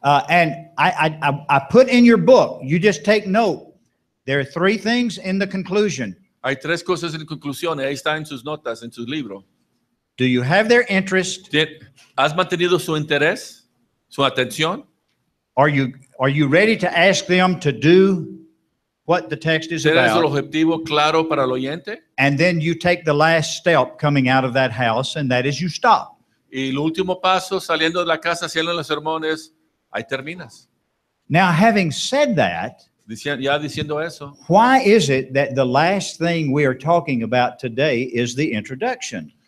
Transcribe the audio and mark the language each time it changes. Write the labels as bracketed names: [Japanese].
[English] And I put in your book, you just take note, there are three things in the conclusion. [Spanish] Hay tres cosas en la conclusión, ahí está en sus notas, en su libro. [English] Do you have their interest? [Spanish] ¿Has mantenido su interés, su atención? [English] Are you ready to ask them to do what the text is about? [Spanish] ¿El objetivo claro para el oyente? [English] And then you take the last step coming out of that house, and that is you stop. [Spanish] Y el último paso saliendo de la casa, haciendo los sermones, ahí terminas. [English] Now, having said that, [Spanish] ya diciendo eso, [English] why is it that the last thing we are talking about today is the introduction?